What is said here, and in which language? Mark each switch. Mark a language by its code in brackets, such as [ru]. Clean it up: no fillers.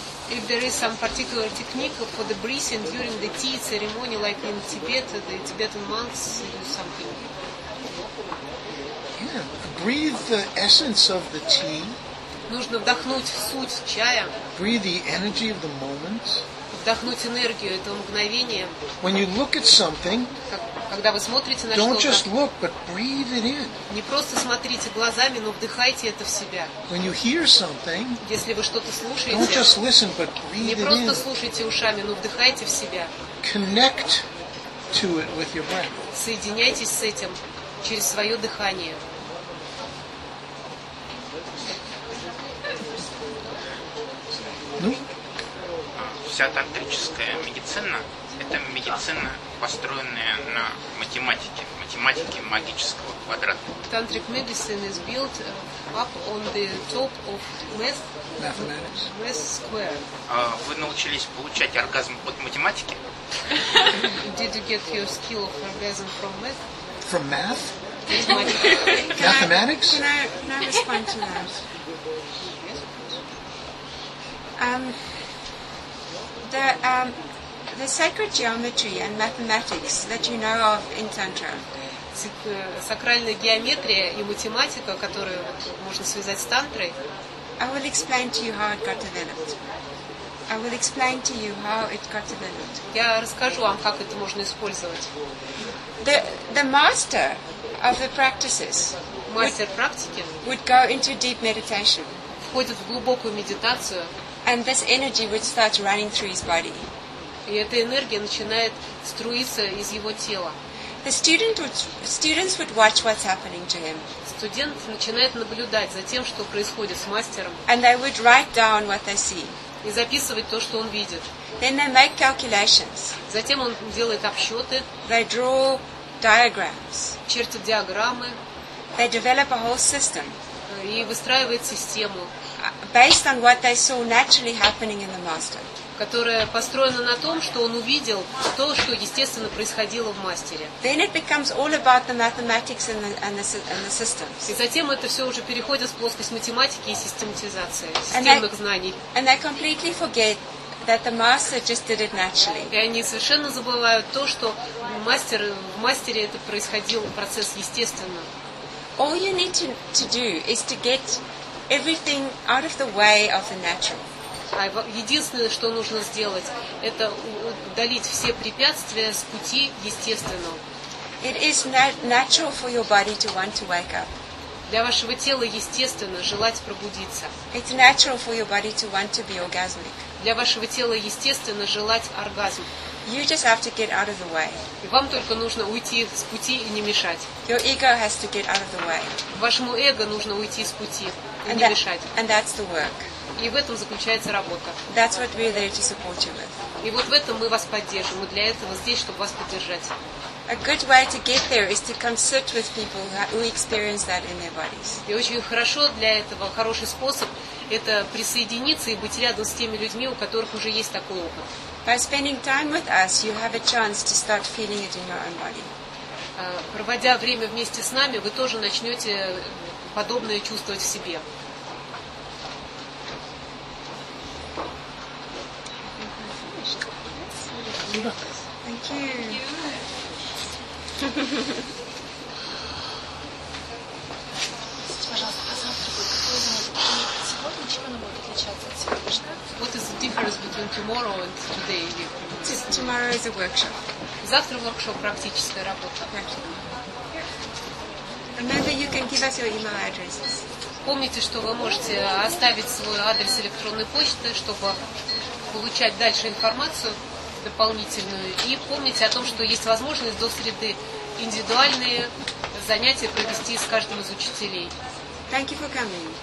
[en] If there is some particular technique for the breathing during the tea ceremony, like in Tibet, the Tibetan monks do something. Yeah, breathe the essence of the tea. [ru] Нужно вдохнуть суть чая. [en] Breathe the energy of the moment. [ru] Вдохнуть энергию этого мгновения. [en] When you look at something, [ru] когда вы смотрите на что-то, [en] don't just look, but breathe it in. [ru] Не просто смотрите глазами, но вдыхайте это в себя. [en] When you hear something, [ru] если вы что-то слушаете, [en] don't just listen, but breathe it in. [ru] Не просто слушайте ушами, но вдыхайте в себя. [en] Connect to it with your breath. [ru] Соединяйтесь с этим через свое дыхание. Ну? Вся тантрическая медицина – это медицина, построенная на математике, математике магического квадрата. [en] Tantric medicine is built up on the top of math square. [ru] Вы научились получать оргазм от математики? [en] Did you get your skill of orgasm from math? From math? Mathematics? Can I respond to that? The sacred geometry and mathematics that you know of in Tantra. [ru] Сакральная геометрия и математика, которую можно связать с тантрой. [en] I will explain to you how it got developed. I will explain to you how it got developed. [ru] Я расскажу вам, как это можно использовать. [en] The master of the practices. [ru] Мастер практики. [en] Would go into deep meditation. [ru] Входит в глубокую медитацию. [en] And this energy would start running through his body. [ru] И эта энергия начинает струиться из его тела. [en] The students would watch what's happening to him. [ru] Студент начинает наблюдать за тем, что происходит с мастером. [en] And they would write down what they see. [ru] И записывать то, что он видит. [en] Then they make calculations. [ru] Затем он делает обсчеты. [en] They draw diagrams. [ru] Чертит диаграммы. [en] They develop a whole system. [ru] И выстраивает систему. [en] Based on what they saw naturally happening in the master. [ru] Которая построена на том, что он увидел то, что естественно происходило в мастере. [en] Then it becomes all about the mathematics and the systems. [ru] И затем это все уже переходит в плоскость математики и систематизации, системных знаний. [en] And they completely forget that the master just did it naturally. [ru] И они совершенно забывают то, что в мастере это происходил процесс естественно. [en] All you need to do is to get everything out of the way of the natural. [ru] Единственное, что нужно сделать, это удалить все препятствия с пути естественного. [en] It is natural for your body to want to wake up. [ru] Для вашего тела естественно желать пробудиться. [en] It's natural for your body to want to be orgasmic. [ru] Для вашего тела естественно желать оргазм. [en] You just have to get out of the way. [ru] И вам только нужно уйти с пути и не мешать. [en] Your ego has to get out of the way. [ru] Вашему эго нужно уйти с пути. и не мешать. [en] And that's the work. [ru] И в этом заключается работа. [en] That's what we're there to support you with. [ru] И вот в этом мы вас поддержим. Мы для этого здесь, чтобы вас поддержать. [en] A good way to get there is to consult with people who experience that in their bodies. [ru] И очень хорошо для этого хороший способ это присоединиться и быть рядом с теми людьми, у которых уже есть такой опыт. [en] By spending time with us, you have a chance to start feeling it in your own body. [ru] Проводя время вместе с нами, вы тоже начнете подобное чувствовать в себе. [en] Thank you. [ru] Пожалуйста, сегодня чем оно будет отличаться от сегодняшнего? [en] What is the difference between tomorrow and today? Tomorrow is a workshop. [ru] Завтра воркшоп, практическая работа. [en] Remember, you can give us your email addresses. [ru] Помните, что вы можете оставить свой адрес электронной почты, чтобы получать дальше информацию дополнительную. И помните о том, что есть возможность до среды индивидуальные занятия провести с каждым из учителей. [en] Thank you for coming.